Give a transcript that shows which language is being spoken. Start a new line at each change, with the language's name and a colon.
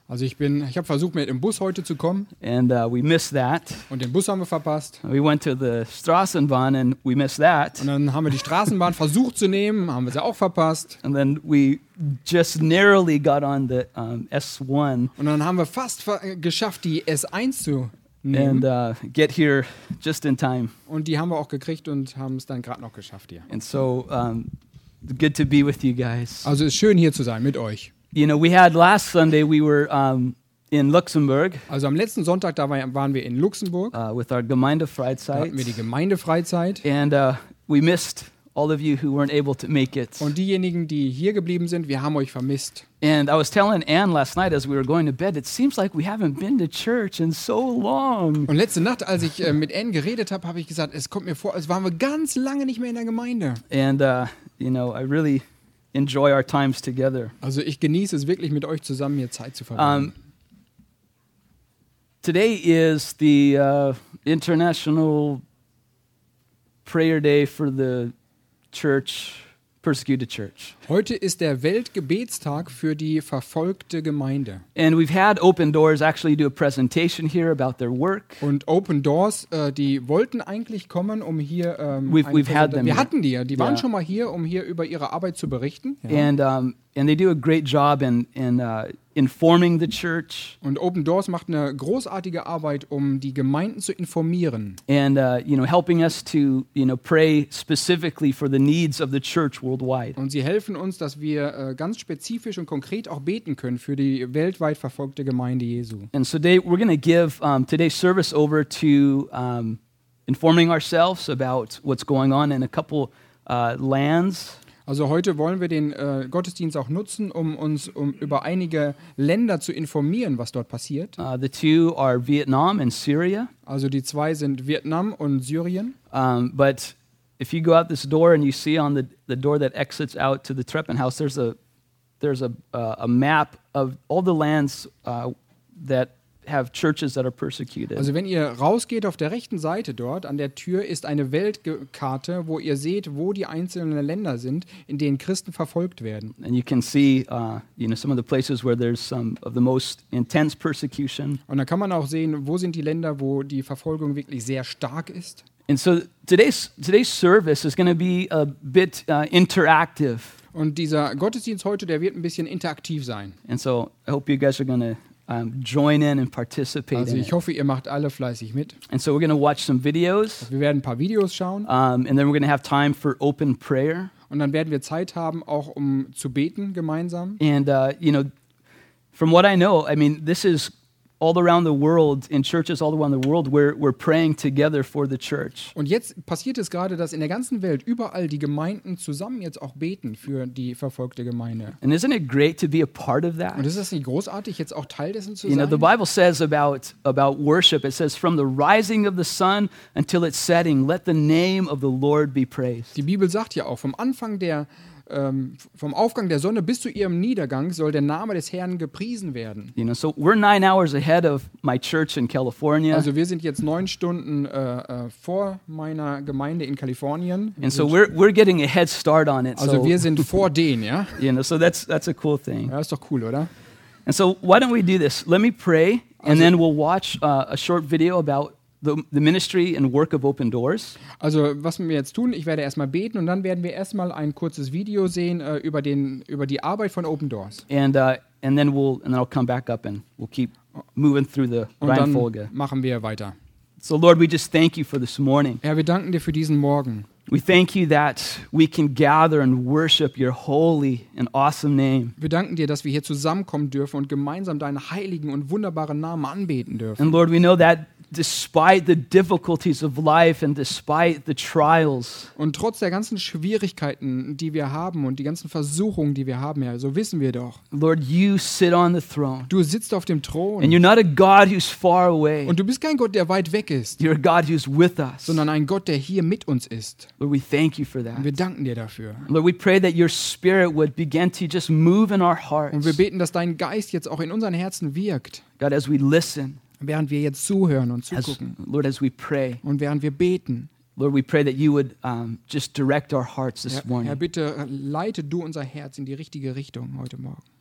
German: Also ich habe versucht, mit dem Bus heute zu kommen.
English: And we missed that.
German: Und den Bus haben wir verpasst.
English: We went to the Straßenbahn and we missed that.
German: Und dann haben wir die Straßenbahn versucht zu nehmen, haben wir sie auch verpasst.
English: And then we just narrowly got on the S1.
German: Und dann haben wir fast geschafft, die S1 zu nehmen.
English: And get here just in time.
German: Und die haben wir auch gekriegt und haben es dann gerade noch geschafft hier.
English: And so good to be with you guys.
German: Also ist schön hier zu sein mit euch.
English: You know, we had last Sunday we were in Luxembourg.
German: Also am letzten Sonntag da waren wir in Luxemburg.
English: With our Gemeindefreizeit.
German: Da hatten wir die Gemeindefreizeit.
English: And we missed all of you who weren't able to make it.
German: Und diejenigen, die hier geblieben sind, wir haben euch vermisst.
English: And I was telling Anne last night as we were going to bed, it seems like we haven't been to church in so long.
German: Und letzte Nacht, als ich mit Anne geredet habe, habe ich gesagt, es kommt mir vor, als waren wir ganz lange nicht mehr in der Gemeinde.
English: And you know, I really enjoy our times together.
German: Also ich genieße es wirklich, mit euch zusammen hier Zeit zu verbringen.
English: Today is the International Prayer Day for the Church, persecuted church.
German: Heute ist der Weltgebetstag für die verfolgte Gemeinde.
English: And we've had Open Doors actually do a presentation here about their work.
German: Und Open Doors, die wollten eigentlich kommen, um hier waren schon mal hier, um hier über ihre Arbeit zu berichten. Ja.
English: And they do a great job informing the church.
German: Und Open Doors macht eine großartige Arbeit, um die Gemeinden zu informieren.
English: And you know, helping us to, you know, pray specifically for the needs of the church worldwide.
German: Und sie helfen uns, dass wir ganz spezifisch und konkret auch beten können für die weltweit verfolgte Gemeinde Jesu.
English: And so today we're going to give today's service over to informing ourselves about what's going on in a couple lands.
German: Also heute wollen wir den Gottesdienst auch nutzen, um uns über einige Länder zu informieren, was dort passiert.
English: The two are Vietnam and Syria.
German: Also die zwei sind Vietnam und Syrien.
English: But if you go out this door and you see on the door that exits out to the Treppenhaus, there's a map of all the lands that have churches that are persecuted.
German: Also wenn ihr rausgeht auf der rechten Seite dort an der Tür ist eine Weltkarte, wo ihr seht, wo die einzelnen Länder sind, in denen Christen verfolgt werden.
English: And you can see you know, some of the places where there's some of the most intense persecution.
German: Und da kann man auch sehen, wo sind die Länder, wo die Verfolgung wirklich sehr stark ist.
English: And so today's service is going to be a bit interactive.
German: Und dieser Gottesdienst heute, der wird ein bisschen interaktiv sein.
English: And so I hope you guys are going to join in and participate.
German: Also ich hoffe, ihr macht alle fleißig mit.
English: And so we're going to watch some videos.
German: Wir werden ein paar Videos schauen.
English: And then we're going to have time for open prayer.
German: Und dann werden wir Zeit haben, auch um zu beten gemeinsam.
English: And you know, from what I know, I mean, this is all around the world, in churches all around the world, we're praying together for the church.
German: Und jetzt passiert es gerade, dass in der ganzen Welt überall die Gemeinden zusammen jetzt auch beten für die verfolgte Gemeinde.
English: And isn't it great to be a part of that?
German: Und ist das nicht großartig, jetzt auch Teil dessen zu
English: sein? You know, the Bible says about worship, it says, from the rising of the sun until its setting, let the name of the Lord be praised.
German: Die Bibel sagt ja auch, vom Aufgang der Sonne bis zu ihrem Niedergang soll der Name des Herrn gepriesen werden.
English: You know, so we're 9 hours ahead of my church in California.
German: Also wir sind jetzt 9 Stunden vor meiner Gemeinde in Kalifornien.
English: And so we're getting a head start on it.
German: Also wir sind vor denen, ja.
English: You know, so that's a cool thing.
German: Ja, ist doch cool, oder?
English: And so why don't we do this? Let me pray, and then we'll watch a short video about the ministry and work of Open Doors.
German: Also, was wir jetzt tun, ich werde erstmal beten und dann werden wir erstmal ein kurzes Video sehen über die Arbeit von Open Doors.
English: And then I'll come back up and we'll keep moving through the Reihenfolge.
German: Und dann machen wir weiter.
English: So Lord, we just thank you for this morning.
German: Herr, wir danken dir für diesen Morgen.
English: We thank you that we can gather and worship your holy and awesome name.
German: Wir danken dir, dass wir hier zusammenkommen dürfen und gemeinsam deinen heiligen und wunderbaren Namen anbeten dürfen.
English: And Lord, we know that despite the difficulties of life and despite the trials.
German: Und trotz der ganzen Schwierigkeiten, die wir haben und die ganzen Versuchungen, die wir haben, ja, so wissen wir doch.
English: Lord, you sit on the throne.
German: Du sitzt auf dem Thron.
English: And you're not a God who's far away.
German: Und du bist kein Gott, der weit weg ist.
English: You're a God who's with us.
German: Sondern ein Gott, der hier mit uns ist.
English: Lord, we thank you for that.
German: Und wir danken dir dafür.
English: Lord, we pray that your spirit would begin to just move in our hearts.
German: Und wir beten, dass dein Geist jetzt auch in unseren Herzen wirkt.
English: God, as we listen,
German: während wir jetzt zuhören und zugucken,
English: Lord, as we pray,
German: und während wir beten,
English: Lord, we pray that you would just direct our hearts this morning.
German: Herr, bitte leite du unser Herz in die richtige Richtung heute Morgen.